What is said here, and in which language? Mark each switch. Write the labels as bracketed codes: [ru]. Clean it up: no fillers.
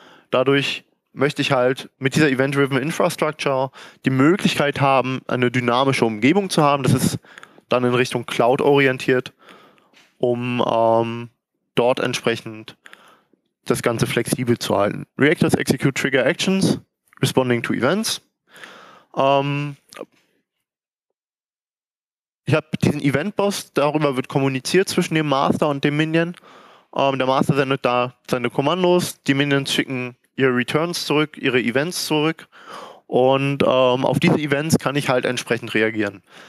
[de] Dadurch möchte ich halt mit dieser Event-Driven Infrastructure die Möglichkeit haben, eine dynamische Umgebung zu haben. Das ist dann in Richtung Cloud orientiert, um dort entsprechend das Ganze flexibel zu halten. [en] Reactors execute trigger actions responding to events. [de] Ich habe diesen Event-Bus, darüber wird kommuniziert zwischen dem Master und dem Minion. Der Master sendet da seine Kommandos, die Minions schicken ihre Returns zurück, ihre Events zurück und auf diese Events kann ich halt entsprechend reagieren.